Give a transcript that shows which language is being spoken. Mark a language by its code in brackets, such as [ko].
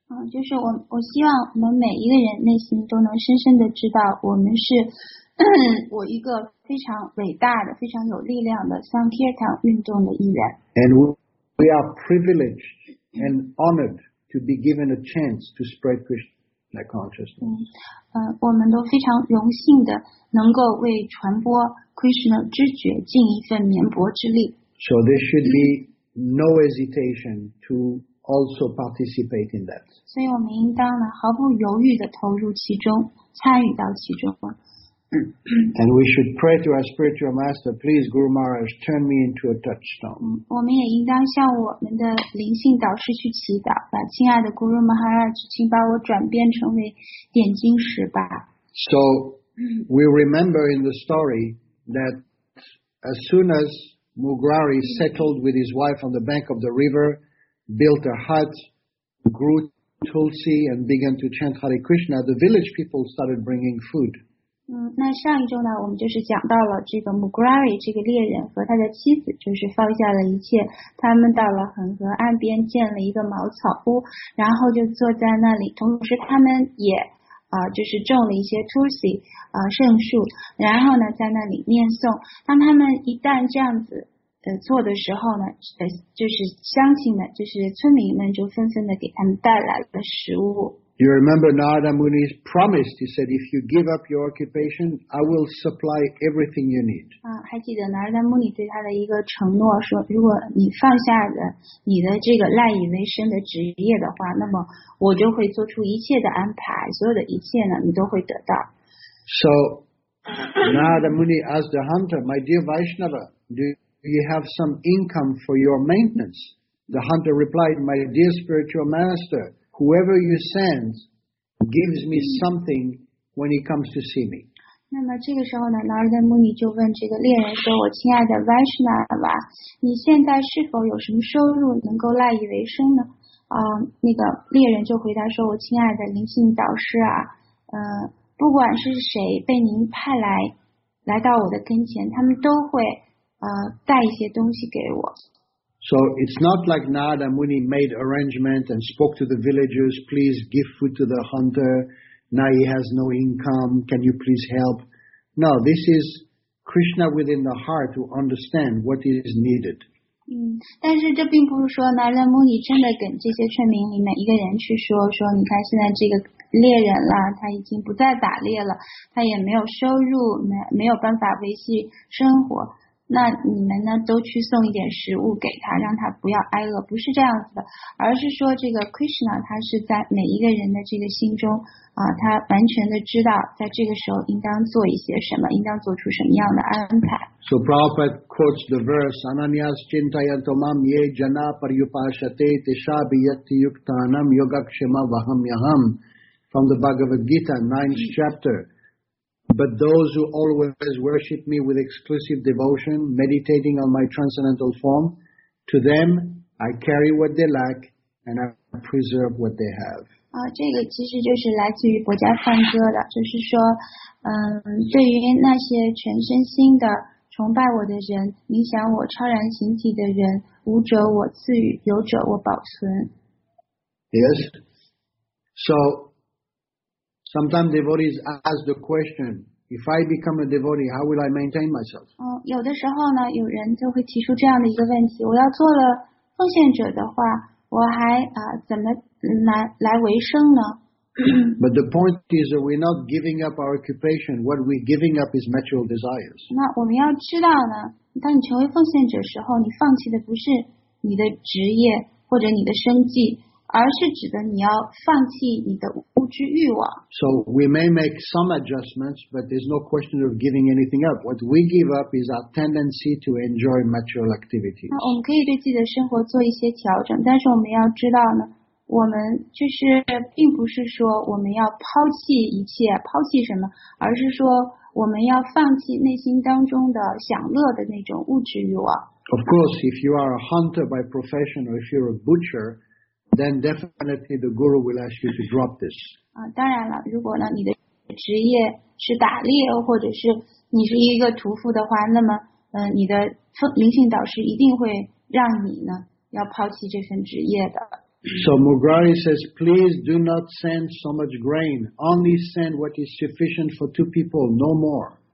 [zh] 就是我希望我们每一个人内心都能深深的知道我们是。我一个非常伟大的非常有力量的 Sankirtan 运动的一员。 [en] And we are privileged and honored to be given a chance to spread Krishna consciousness. [zh] 我们都非常荣幸的能够为传播 Krishna 知觉尽一份绵薄之力。 [en] So there should be no hesitation to also participate in that. [zh] 所以我们应当呢毫不犹豫的投入其中，参与到其中。 [en] And we should pray to our spiritual master, please, Guru Maharaj, turn me into a touchstone. [zh] 我们也应当向我们的灵性导师去祈祷，把亲爱的 Guru Maharaj， 请把我转变成为点睛石吧。 [en] So we remember in the story that as soon as Mugrari settled with his wife on the bank of the river, built a hut, grew tulsi, and began to chant Hare Krishna, the village people started bringing food. [zh] 那上一周呢，我们就是讲到了这个 Mugrari 这个猎人和他的妻子，就是放下了一切，他们到了恒河岸边建了一个茅草屋，然后就坐在那里，同时他们也就是种了一些 Tulsi 圣树，然后呢在那里念诵。当他们一旦这样子做的时候呢，就是乡亲们，就是村民们就纷纷的给他们带来了食物。 [en] You remember Narada Muni's promise, he said, if you give up your occupation, I will supply everything you need. [zh] 还记得 Narada Muni 对他的一个承诺说，如果你放下了你的这个赖以为生的职业的话，那么我就会做出一切的安排，所有的一切呢，你都会得到。 [en] So, Narada Muni asked the hunter, my dear Vaishnava, do you have some income for your maintenance? The hunter replied, my dear spiritual master,Whoever you send gives me something when he comes to see me. [zh] 那么这个时候呢 ，Narada Muni 就问这个猎人说：“我亲爱的 Vaishnava， 你现在是否有什么收入能够赖以为生呢？” 那个猎人就回答说：“我亲爱的灵性导师啊，不管是谁被您派来到我的跟前，他们都会带一些东西给我。” [en] So it's not like Narada Muni made arrangement and spoke to the villagers, please give food to the hunter. Now he has no income. Can you please help? No, this is Krishna within the heart who understands what is needed. [zh] 但是这并不是说南人穆尼真的跟这些村民里面一个人去说，说你看现在这个猎人啦，他已经不再打猎了，他也没有收入，没有办法维系生活，那你们呢都去送一点食物给他，让他不要挨饿，不是这样子的，而是说这个 Krishna 他是在每一个人的这个心中啊，他完全的知道在这个时候应当做一些什么，应当做出什么样的安排。 [en] So Prabhupada quotes the verse [sa] Ananyas Chintayanto Mam Ye Jana Paryupashate Tishabhi Yati Yuktanam Yogakshema Vaham Yaham [en] from the Bhagavad Gita 9th chapter. But those who always worship me with exclusive devotion, meditating on my transcendental form, to them I carry what they lack and I preserve what they have. [zh] 啊，这个其实就是来自于《佛家梵歌》的，就是说，对于那些全身心的崇拜我的人，冥想我超然形体的人，无者我赐予，有者我保存。 [en] Yes. So. Sometimes devotees ask the question, if I become a devotee, how will I maintain myself? [zh] 有的时候呢，有人就会提出这样的一个问题，我要做了奉献者的话，我还怎么来维生呢？ [en] But the point is that we're not giving up our occupation. What we're giving up is material desires. [zh] 那我们要知道呢，当你成为奉献者时候，你放弃的不是你的职业或者你的生计，而是指的你要放弃你的物质欲望。 [en] So we may make some adjustments, but there's no question of giving anything up. What we give up is our tendency to enjoy material activities. [zh] 那我们可以对自己的生活做一些调整，但是我们要知道呢，我们就是并不是说我们要抛弃一切，抛弃什么，而是说我们要放弃内心当中的享乐的那种物质欲望。 [en] Of course, if you are a hunter by profession or if you're a butcher,Then definitely the guru will ask you to drop this. [zh] 当然了，如果呢你的职业是打猎，或者是你是一个屠夫的话，那么你的灵性导师一定会让你呢要抛弃这份职业的。 [en] So Mugrari says, please do not send so much grain. Only send what is sufficient for two people, no more.